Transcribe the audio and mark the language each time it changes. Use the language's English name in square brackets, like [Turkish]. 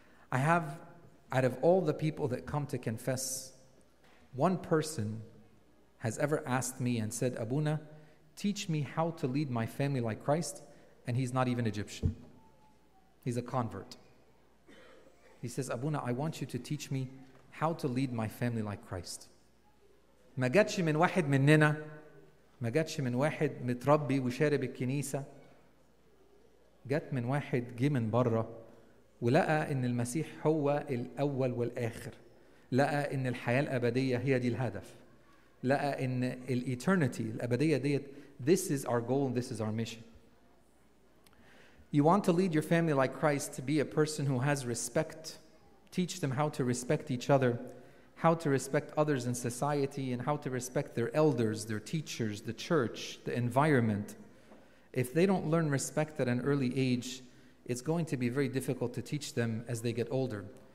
[English] I have, out of all the people that come to confess, one person has ever asked me and said, Abuna, teach me how to lead my family like Christ, and he's not even Egyptian. He's a convert. He says, Abuna, I want you to teach me how to lead my family like Christ. [Arabic] ما جاتش من واحد مننا ما جاتش من واحد متربي وشارب الكنيسة جات من واحد جه من بره ولقى إن المسيح هو الأول والآخر لقى إن الحياة الأبدية هي دي الهدف لقى إن الإيترنتي الأبدية دي [English] This is our goal and this is our mission. You want to lead your family like Christ, to be a person who has respect. Teach them how to respect each other, how to respect others in society, and how to respect their elders, their teachers, the church, the environment. If they don't learn respect at an early age, it's going to be very difficult to teach them as they get older.